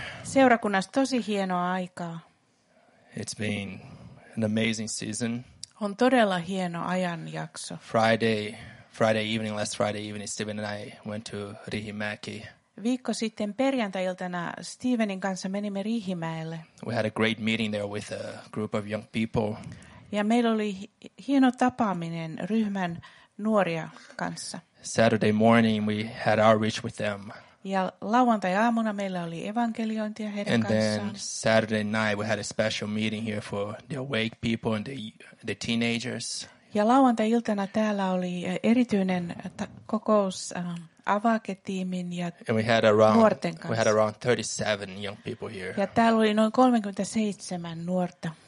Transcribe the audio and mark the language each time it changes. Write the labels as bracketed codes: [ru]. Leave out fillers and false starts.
[fi] Seurakunnassa tosi hienoa aikaa. [en] It's been an amazing season. [fi] On todella hieno ajanjakso. [en] Last Friday evening, Steven and I went to Riihimäki. [fi] Viikko sitten perjantai-iltana Stevenin kanssa menimme Riihimäelle. [en] We had a great meeting there with a group of young people. [fi] Ja meillä oli hieno tapaaminen ryhmän nuoria kanssa. [en] Saturday morning we had outreach with them. [fi] Ja lauantai-aamuna meillä oli evankeliointia heidän [en] And then Saturday night we had a special meeting here for the awake people and the teenagers. [fi] Ja lauantai-iltana täällä oli erityinen kokous avake-tiimin ja nuorten kanssa. [en] We had around 37 young people here. [fi] Ja täällä oli noin 37 nuorta.